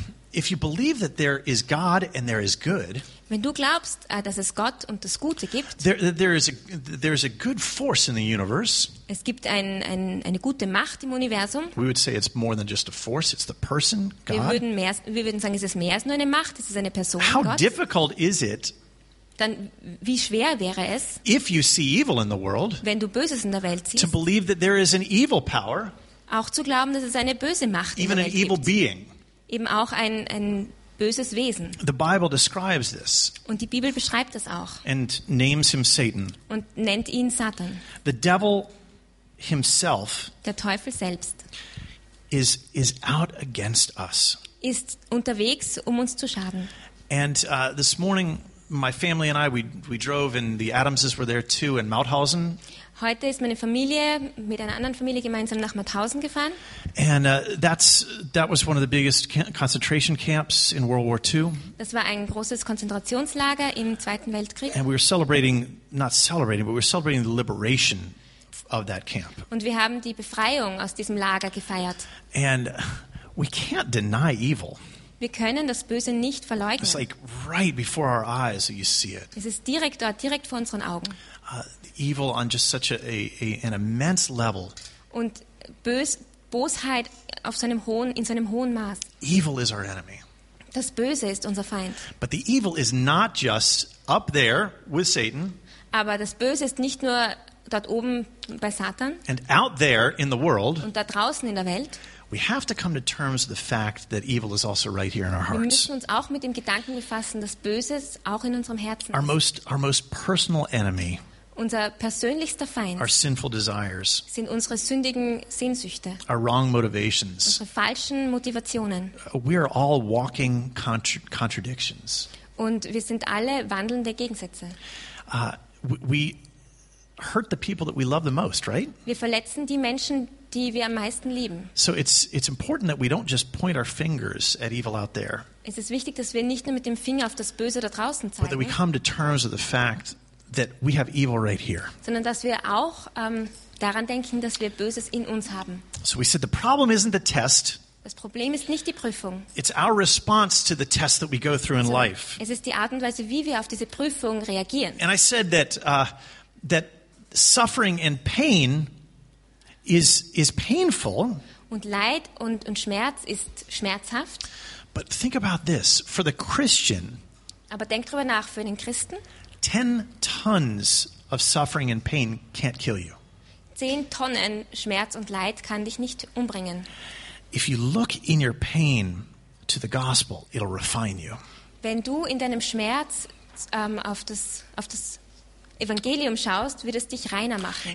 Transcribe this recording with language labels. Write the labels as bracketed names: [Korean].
[English] If you believe that there is God and there is good, [German] wenn du glaubst, dass es Gott und das Gute gibt, [English] there is a good force in the universe. [German] Es gibt eine gute Macht im Universum. [English] We would say it's more than just a force; it's the person God. [German] Wir würden sagen, es ist mehr als nur eine Macht; es ist eine Person. [English] How [German] Gott. [English] Difficult is it? [German] Dann wie schwer wäre es? [English] If you see evil in the world, [German] wenn du Böses in der Welt siehst, [English] to believe that there is an evil power, [German] auch zu glauben, dass es eine böse Macht [English] even [German] in der Welt [English] an evil [German] gibt. [English] Being. [German] Eben auch ein böses Wesen. [English] The Bible describes this. [German] Und die Bibel beschreibt das auch. [English] And names him Satan. [German] Und nennt ihn Satan. [English] The devil himself. [German] Der Teufel selbst. [English] Is out against us. [German] Ist unterwegs, um uns zu schaden. [English] And this morning, my family and I, we drove, and the Adamses were there too in Mauthausen. [German] Heute ist meine Familie mit einer anderen Familie gemeinsam nach Mauthausen gefahren. [English] And that was one of the biggest concentration camps in World War II. [German] Das war ein großes Konzentrationslager im Zweiten Weltkrieg. [English] And we were celebrating, not celebrating, but we were celebrating the liberation of that camp. [German] Und wir haben die Befreiung aus diesem Lager gefeiert. [English] And we can't deny evil. [German] Wir können das Böse nicht verleugnen. [English] It's like right before our eyes you see it. [German] Es ist direkt dort, direkt vor unseren Augen. [English] Evil on just such an immense level. [German] Und Bosheit auf seinem hohen, in seinem hohen Maß. [English] Evil is our enemy. [German] Das Böse ist unser Feind. [English] But the evil is not just up there with Satan. [German] Aber das Böse ist nicht nur dort oben bei Satan. [English] And out there in the world, [German] und da draußen in der Welt, [English] we have to come to terms with the fact that evil is also right here in our hearts. [German] Wir müssen uns auch mit dem Gedanken befassen, dass Böses auch in unserem Herzen ist. [English] Our most personal enemy, [German] unser persönlichster Feind, [English] our sinful desires, [German] sind unsere sündigen Sehnsüchte, [English] our wrong motivations, [German] unsere falschen Motivationen. [English] We are all walking contradictions. [German] Und wir sind alle wandelnde Gegensätze. [English] We hurt the people that we love the most, right? [German] Wir verletzen die Menschen, die wir am meisten lieben. [English] So it's important that we don't just point our fingers at evil out there. [German] Es ist wichtig, dass wir nicht nur mit dem Finger auf das Böse da draußen zeigen. [English] But that we come to terms with the fact that we have evil right here. [German] Sondern dass wir auch daran denken, dass wir Böses in uns haben. [English] So we said the problem isn't the test. [German] Das Problem ist nicht die Prüfung. [English] It's our response to the test that we go through in life. [German] Es ist die Art und Weise, wie wir auf diese Prüfung reagieren. [English] And I said that that suffering and pain is painful. [German] Und Leid und Schmerz ist schmerzhaft. [English] But think about this for the Christian. [German] Aber denk drüber nach für den Christen. [English] 10 tons of suffering and pain can't kill you. [German] 10 Tonnen Schmerz und Leid kann dich nicht umbringen. [English] If you look in your pain to the gospel, it'll refine you. [German] Wenn du in deinem Schmerz auf das Evangelium schaust, wird es dich reiner machen.